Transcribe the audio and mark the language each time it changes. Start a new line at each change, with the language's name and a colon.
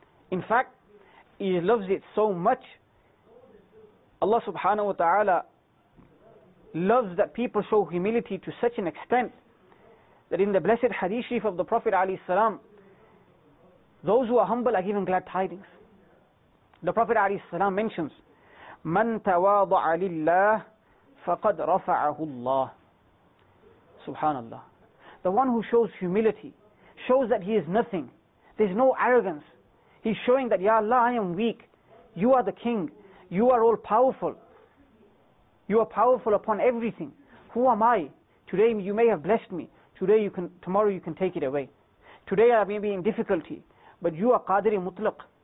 English: In fact, he loves it so much. Allah subhanahu wa ta'ala loves that people show humility to such an extent that in the blessed hadith sharif of the Prophet ﷺ, those who are humble are given glad tidings.
Arabic: The Prophet ﷺ mentions, مَنْ تَوَاضَعَ لِلَّهِ فَقَدْ رَفَعَهُ اللَّهِ Subhanallah.
English: The one who shows humility, shows that he is nothing, there's no arrogance. He's showing that, Ya Allah, I am weak. You are the king. You are all powerful. You are powerful upon everything. Who am I? Today you may have blessed me. Today you can, tomorrow you can take it away. Today I may be in difficulty, but you are Qadir Mutlaq.